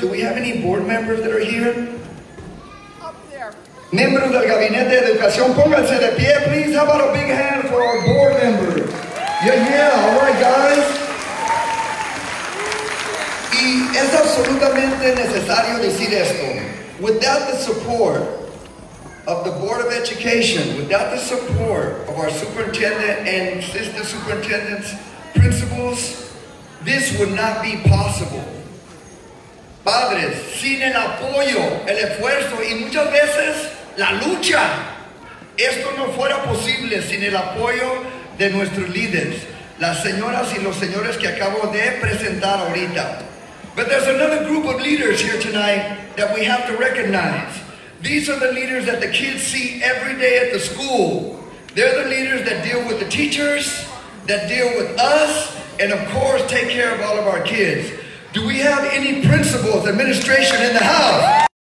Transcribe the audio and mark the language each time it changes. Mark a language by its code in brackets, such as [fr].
[en] Do we have any board members that are here? Up there. [es] Miembros del gabinete de educación, pónganse de pie, please. [en] How about a big hand for our board members? Yeah, all right, guys. [es] Y es absolutamente necesario decir esto. [en] Without the support of the Board of Education, without the support of our superintendent and assistant superintendents, principals, this would not be possible. [es] Padres, sin el apoyo, el esfuerzo y muchas veces la lucha, esto no fuera posible sin el apoyo de nuestros líderes, las señoras y los señores que acabo de presentar ahorita. [en] But there's another group of leaders here tonight that we have to recognize. These are the leaders that the kids see every day at the school. They're the leaders that deal with the teachers, that deal with us, and of course, take care of all of our kids. Do we have any principals, administration in the house?